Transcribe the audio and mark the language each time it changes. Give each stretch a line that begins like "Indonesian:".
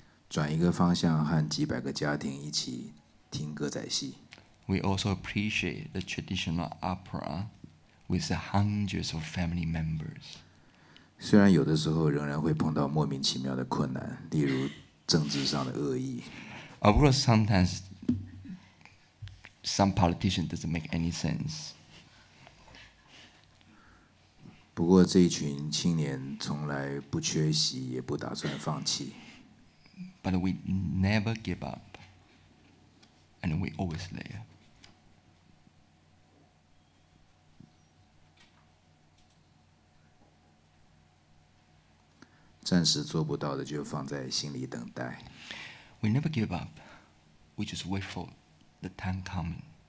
Chinese: 转一个方向和几百个家庭一起听歌仔戏。
English: We also appreciate the traditional opera with the hundreds of family members.
Chinese: 虽然有的时候仍然会碰到莫名其妙的困难，例如政治上的恶意。
English: Of course, sometimes some politician doesn't make any sense.
Chinese: 不过这一群青年从来不缺席，也不打算放弃。
English: But we never give up, and we always there.
Chinese: 暂时做不到的就放在心里等待。
English: We never give up, we just wait for the time coming.